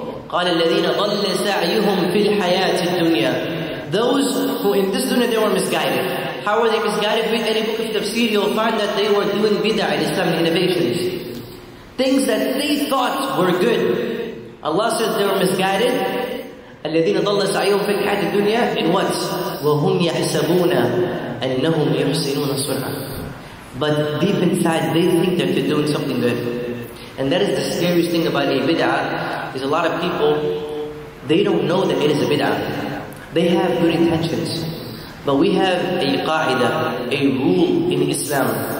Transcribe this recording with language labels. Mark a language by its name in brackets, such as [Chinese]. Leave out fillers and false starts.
[Arabic] قال الذين ضل سعيهم في الحياة الدنيا. [English] Those who in this dunya they were misguided. How were they misguided? Read any book of tafsir, you'll find that they were doing bid'ah, Islamic innovations. Things that they thought were good. Allah says they were misguided. [Arabic] الذين ضل سعيهم في الحياة الدنيا. [English] In what? [Arabic] وهم يحسبون أنهم يحسنون صنعا. [English] But deep inside they think that they're doing something good. And that is the scariest thing about a bid'ah. Is a lot of people, they don't know that it is a bid'ah. They have good intentions. But we have a qa'idah, a rule in Islam.